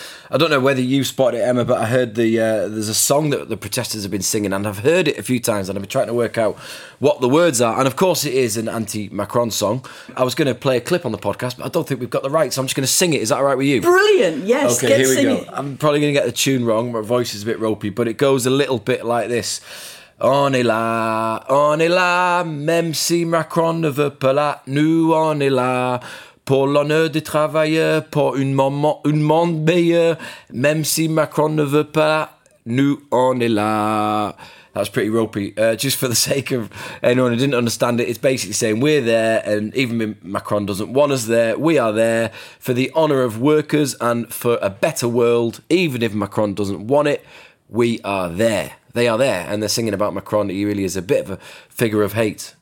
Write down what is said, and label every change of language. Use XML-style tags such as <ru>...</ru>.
<en>I don't know whether you spotted it, Emma, but I heard there's a song that the protesters have been singing, and I've heard it a few times, and I've been trying to work out what the words are. And of course, it is an anti-Macron song. I was going to play a clip on the podcast, but I don't think we've got the right, so I'm just going to sing it. Is that all right with you? Brilliant, yes. Okay, here we go. I'm probably going to get the tune wrong. My voice is a bit ropey, but it goes a little bit like this.</en> <fr>On est là, même si Macron ne veut pas là, nous on est là, pour l'honneur des travailleurs, pour un monde meilleur, même si Macron ne veut pas là, nous on est là.</fr> <en>That's pretty ropey. Just for the sake of anyone who didn't understand it, it's basically saying we're there, and even if Macron doesn't want us there, we are there for the honour of workers and for a better world, even if Macron doesn't want it, we are there. They are there, and they're singing about Macron. He really is a bit of a figure of hate.</en>